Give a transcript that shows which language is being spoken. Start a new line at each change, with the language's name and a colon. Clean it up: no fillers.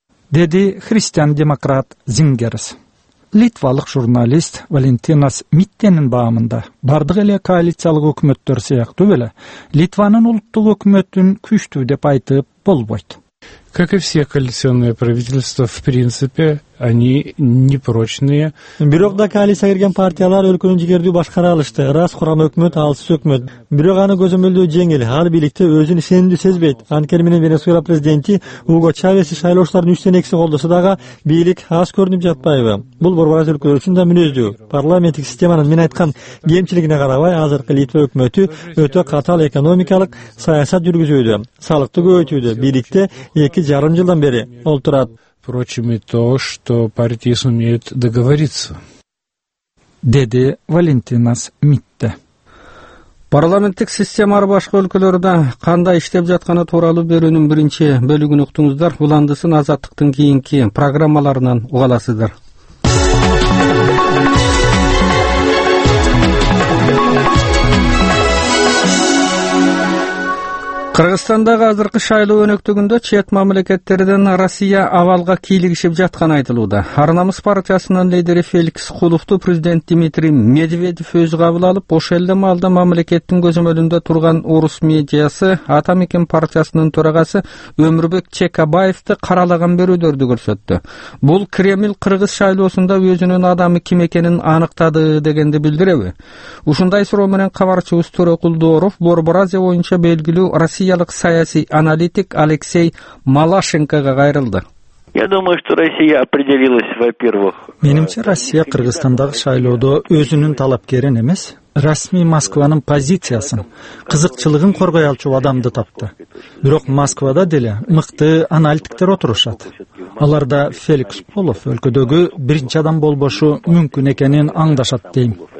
Kyrgyz: Деди христиан демократ Зингерс. Литвалык журналист Валентинас Миттенин баамында бардык эле коалициялык өкмөттөр сыяктуу эле Литванын улуттук өкмөтүн күчтүү деп айтып болбойт.
Russian: Как и все коалиционные правительства, в принципе, они непрочные.
Kyrgyz: Бирок да коалицияга кирген партиялар өлкөнү жигердүү башкара алышты. Раз курам өкмөт, алсыз өкмөт. Бирок аны көзөмөлдөө жеңил. Ал бийликте өзүн сенимдүү сезбейт. Анткени менен Венесуэла президенти Уго Чавеси шайлоочулардын 3/2 колдосо дагы бийлик аз көрүнүп жатпайбы. Бул борбораз өлкөлөр үчүн да мүнөздүү. Парламенттик системанын мен айткан кемчилигине карабай, азыркы Литва өкмөтү өтө катаал экономикалык саясат жүргүзүүдө. Салыкты көбөйтүүдө бийликте 2.5 жылдан бери олтурат.
Russian: Впрочем, и то, что партии сумеют договориться.
Kyrgyz: Деди Валентинас Митте. Парламенттик система ар башка өлкөлөрдө кандай иштеп жатканы тууралуу берүүнүн биринчи бөлүгүн уктуңуздар. Уландысын азаттыктын кийинки программаларынан угаласыздар. Кыргызстандагы азыркы шайлоо өнөктүгүндө чет мамлекеттерден Россия авалга кийлигишип жатканы айтылууда. Ар-намыс партиясынын лидери Феликс Кулуфту президент Дмитрий Медведев өзү кабыл алып, ошол эле маалда мамлекеттин көзөмөлүндө турган орус медиасы Ата Мекен партиясынын төрагасы Өмүрбек Чекабаевди каралаган берүүлөрдү көрсөттү. Бул Кремль кыргыз шайлоосунда өзүнүн адамы ким экенин аныктады дегенди билдиреби? Ушундай суроо менен кабарчыбыз Төрөкул Дооров Борборазия боюнча белгилүү россиялык саясий аналитик Алексей Малашенкага кайрылды.
Russian: Я думаю, что Россия определилась, во-первых.
Kyrgyz: Менимче Россия Кыргызстандагы шайлоодо өзүнүн талапкерин эмес, расмий Москванын позициясын, кызыкчылыгын коргой алчу адамды тапты. Бирок Москвада деле мыкты аналитиктер отурушат. Аларда Феликс Полов өлкөдөгү биринчи адам болбошу мүмкүн экенин аңдашат дейм.